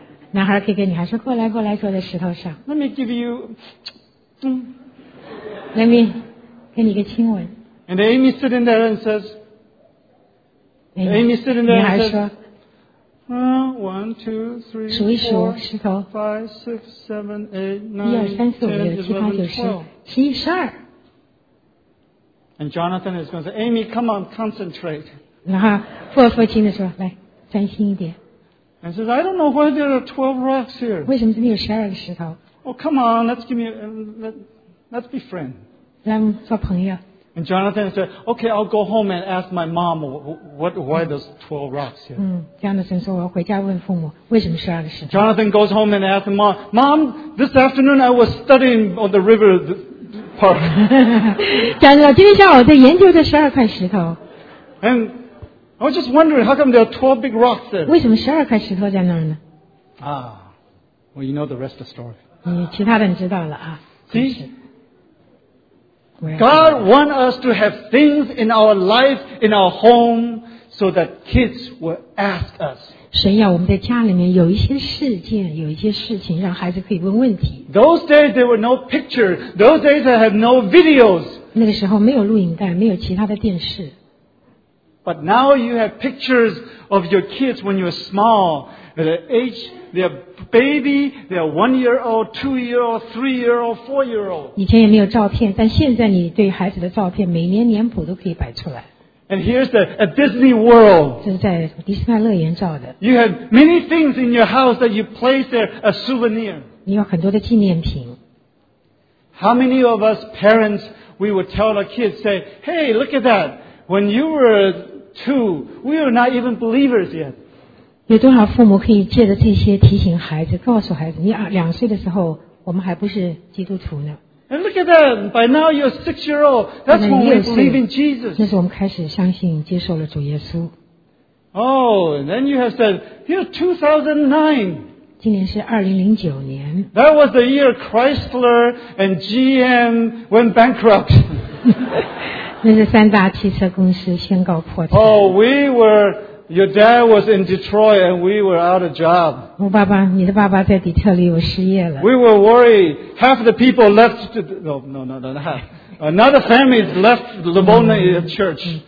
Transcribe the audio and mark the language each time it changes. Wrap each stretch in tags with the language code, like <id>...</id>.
<zh>男孩可以跟女孩说，过来过来，坐在石头上。</zh> <en>Let me give you, Let me</en> <zh>给你一个亲吻。</zh> <en>And Amy sitting there and says, Amy sitting there and says,</en> <zh>女孩说</zh> <en>，One, two, three, four, five, six, seven, eight, nine, ten, eleven, twelve.</en> <zh>一二三四五六七八九十，十一十二。</zh> <en>And Jonathan is going to say, Amy, come on, concentrate.</en> <zh>然后父父亲的说，来，专心一点。</zh> <en>And says, "I don't know why there are 12 rocks here."</en> <zh>为什么这里有十二个石头</zh> <en>？Oh, come on, let's be friends.</en> <zh>来，我们做朋友。</zh> <en>And Jonathan said, "Okay, I'll go home and ask my mom why there's 12 rocks here."</en> <zh>嗯 ，Jonathan 说我要回家问父母为什么十二个石头。</zh> <en>Jonathan goes home and asks mom, "Mom, this afternoon I was studying on the river park."</en> <zh>讲到今天下午在研究这十二块石头。</zh> <en>And I was just wondering how come there are 12 big rocks there.</en> <zh>为什么十二块石头在那儿呢</zh> <en>？Ah, well, you know the rest of the story.</en> <zh>你其他的你知道了啊。</zh> <en>See, God wants us to have things in our life, in our home, so that kids will ask us.</en> <zh>神要我们在家里面有一些事件，有一些事情，让孩子可以问问题。</zh> <en>Those days there were no pictures. Those days they have no videos.</en> <zh>那个时候没有录影带，没有其他的电视。</zh> <en>But now you have pictures of your kids when you're small. Their age, their baby, their 1-year-old, 2-year-old, 3-year-old, 4-year-old.</en> <zh>以前也没有照片，但现在你对孩子的照片每年年谱都可以摆出来。</zh> <en>And here's a Disney World.</en> <zh>这是在迪士尼乐园照的。</zh> <en>You have many things in your house that you place there as souvenir.</en> <zh>你有很多的纪念品。</zh> <en>How many of us parents, we would tell our kids, say, hey, look at that. When you were two, we were not even believers yet.</en> <zh>有多少父母可以借着这些提醒孩子，告诉孩子，你两岁的时候，我们还不是基督徒呢。</zh> <en>And look at that, by now you're 6-year-old. That's when we believe in Jesus.</en> <zh>那是我们开始相信接受了主耶稣。</zh> <en>Oh, and then you have said, here's 2009.</en> <zh>今年是2009年。</zh> <en>That was the year Chrysler and GM went bankrupt.</en> <zh>那是三大汽车公司宣告破产。</zh> <en>Oh, we were, your dad was in Detroit and we were out of job.</en> <zh>我爸爸，你的爸爸在底特律，我失业了。</zh> <en>We were worried. Half the people left, another family left Lebona Church.</en>